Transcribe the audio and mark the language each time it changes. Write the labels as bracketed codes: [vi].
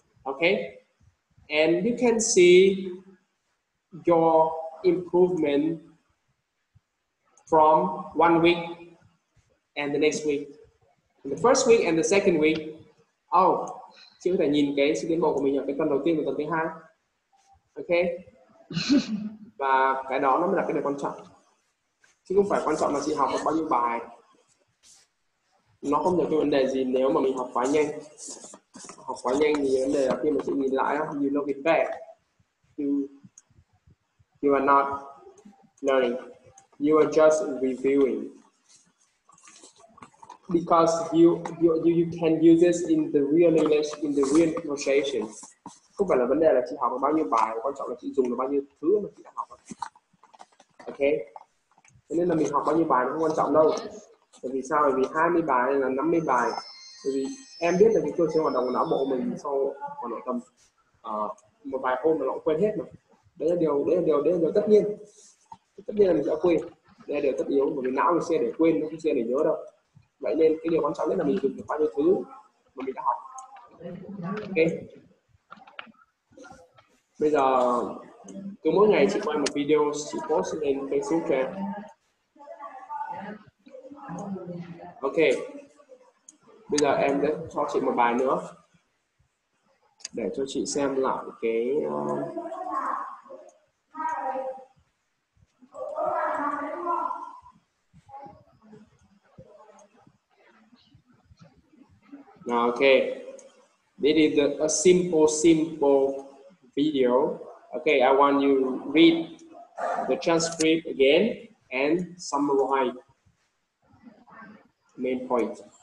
[en] Okay, and you can see your improvement from 1 week and the next week, and the first week and the second week. [vi] Oh, chị có thể nhìn cái sự tiến bộ của mình ở cái tuần đầu tiên và tuần thứ hai. Ok. Và cái đó nó mới là cái điều quan trọng. Chứ không phải quan trọng là chị học được bao nhiêu bài. Nó không được cái vấn đề gì nếu mà mình học quá nhanh. Học quá nhanh thì vấn đề là khi mà chị nhìn lại, [en] you look it back, you are not learning. You are just reviewing. Because you can use this in the real English, in the real conversation. [vi] Không phải là vấn đề là chị học được bao nhiêu bài, quan trọng là chị dùng được bao nhiêu thứ mà chị đã học. Ok. Thế nên là mình học bao nhiêu bài nó không quan trọng đâu. Bởi vì sao? Bởi vì 20 bài hay là 50 bài. Bởi vì em biết là cái cơ chế hoạt động của não bộ mình sau khoảng độ tầm một vài hôm là nó cũng quên hết mà. Đấy là điều tất nhiên. Tất nhiên là mình sẽ quên. Đây là điều tất yếu, bởi vì não mình sẽ để quên, nó không sẽ để nhớ đâu. Vậy nên cái điều quan trọng nhất là mình dùng được bao nhiêu thứ mà mình đã học. Ok. Bây giờ cứ mỗi ngày chị quay một video, chị post lên Facebook cho em. Ok. Bây giờ em sẽ cho chị một bài nữa để cho chị xem lại cái ok. [en] This is a simple video. Okay, I want you read the transcript again and summarize main point.